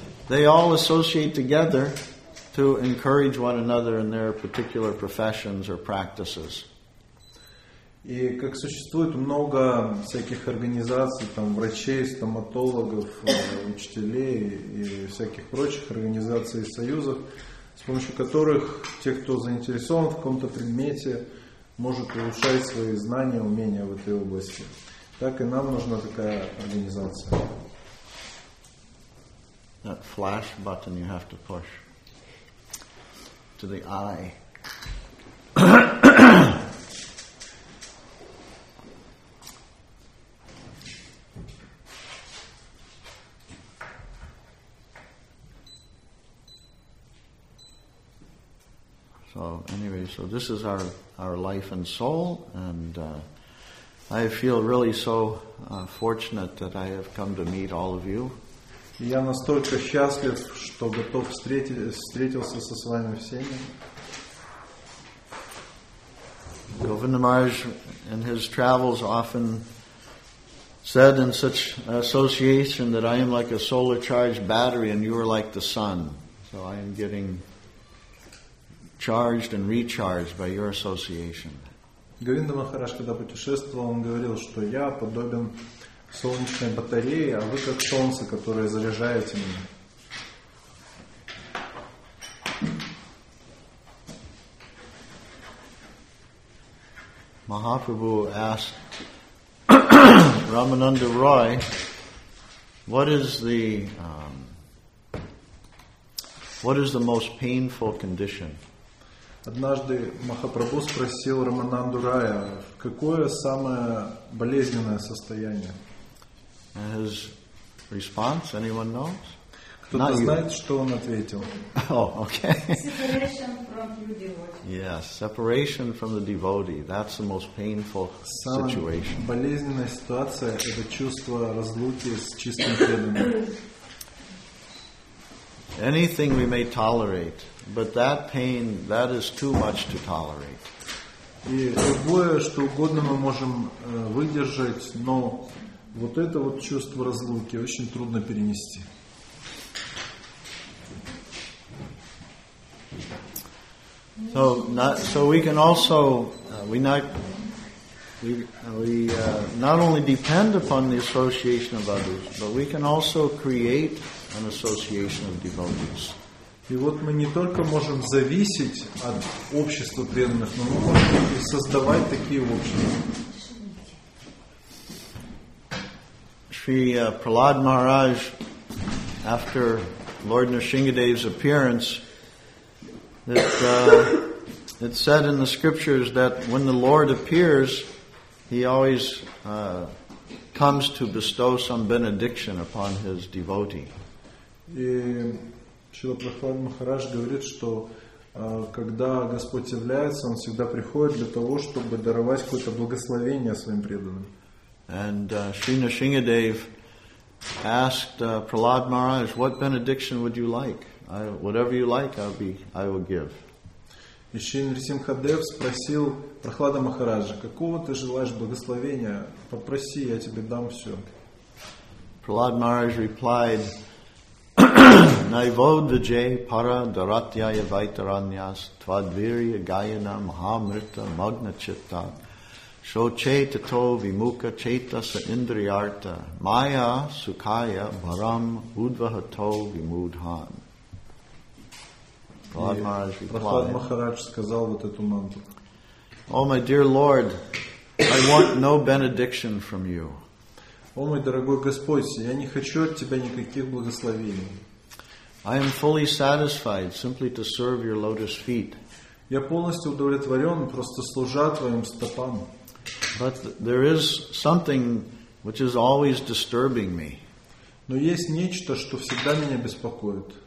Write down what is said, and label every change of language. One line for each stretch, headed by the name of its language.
English: They all associate together to encourage one another in their particular professions or practices.
Russian: И как существует много всяких организаций, там врачей, стоматологов, учителей и всяких прочих организаций и союзов, с помощью которых те, кто заинтересован в каком-то предмете, может улучшать свои знания, умения в этой области. Так и нам нужна такая организация.
English: That flash button you have to push to the eye. So this is our life and soul, and I feel really so fortunate that I have come to meet all of you.
Russian: Я настолько счастлив, что готов встретился со вами всеми.
English: Govinda Maharaj in his travels often said in such association that I am like a solar charged battery and you are like the sun. So I am getting charged and recharged by your association.
Russian: Говинда Махарадж, когда путешествовал, он говорил, что я подобен солнечной батарее, а вы как солнце, которое заряжаете меня.
English: Mahaprabhu asked Ramananda Roy, what is the most painful condition?
Russian: Однажды Махапрабху спросил Рамананду Рая, какое самое болезненное состояние?
English: His response, anyone knows?
Russian: К Знает, что он ответил.
English: Oh, okay. Separation from the devotee. Yes, separation from the devotee. That's the most painful situation.
Russian: Самая болезненная ситуация – это чувство разлуки с чистым преданным.
English: Anything we may tolerate, but that pain, that is too much to tolerate.
Russian: И любое, что угодно мы можем выдержать, но вот это вот чувство разлуки очень трудно перенести.
English: So, we not only depend upon the association of others, but we can also create an association of devotees.
Russian: И вот мы не только можем зависеть от общества преданных, но мы можем и создавать такие общества.
English: Shri Prahlad Maharaj, after Lord Narsingadev's appearance, it's said in the scriptures that when the Lord appears, he always comes to bestow some benediction upon his devotee.
Russian: И Шрила Прахлад Махарадж говорит, что когда Господь является, Он всегда приходит для того, чтобы даровать какое-то благословение своим преданным.
English: And Shri Narsingadev asked Prahlad Maharaj, what benediction would you like? Whatever you like, I will give.
Russian: И Шри Нарсимхадев спросил Прахлада Махараджа, какого ты желаешь благословения? Попроси, я тебе дам все.
Sanskrit: Прахлад Махарадж
English: replied,
Sanskrit: Naivodajay para daratyaya vaitaranyas tvadvirya gayana mahamrita magna chitta shoche tato vimuka cheta sa indriyarta maya sukaya bharam udvahato vimudhan.
Russian: Prahlad Maharaj сказал вот эту мантру.
English: Oh, my dear Lord, I want no benediction from you.
Russian: О, мой дорогой Господь, я не хочу от Тебя никаких благословений.
English: I am fully satisfied simply to serve Your lotus feet.
Russian: Я полностью удовлетворен просто служа Твоим стопам.
English: But there is something which is always disturbing me.
Russian: Но есть нечто, что всегда меня беспокоит.